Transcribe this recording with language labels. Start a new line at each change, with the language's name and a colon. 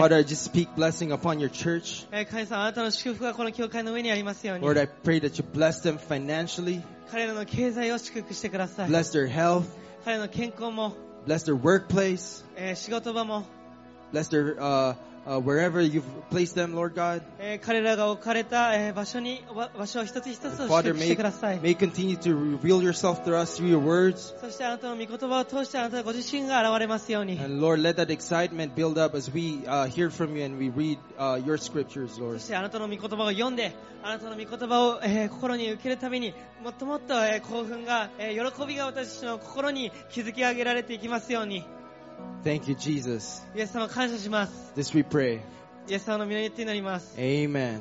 English: Father, I just speak blessing upon your church.
Japanese: 神様、あなたの祝福がこの教会の上にありますように。
English: Lord, I pray that you bless them financially.
Japanese: 彼らの経済を祝福してください。
English: Bless their health.
Japanese: 彼らの健康も。
English: Bless their workplace.
Japanese: 仕事場も。
English: Bless their wherever you've placed them, Lord God.
Japanese: 彼らが置かれた場所を一つ一つ祝福してください。
English: May continue to reveal yourself through us through your words.
Japanese: そしてあなたの御言葉を通してあなたご自身が現れますように。
English: And Lord, let that excitement build up as we hear from you and we read your scriptures, Lord.
Japanese: そしてあなたの御言葉を読んで、あなたの御言葉を心に受けるために、もっともっと興奮が喜びが私たちの心に築き上げられていきますように。
English: Thank you, Jesus.
Japanese: イエス様、感謝します。
English: This we pray.
Japanese: イエス様の御名によって祈ります。
English: Amen.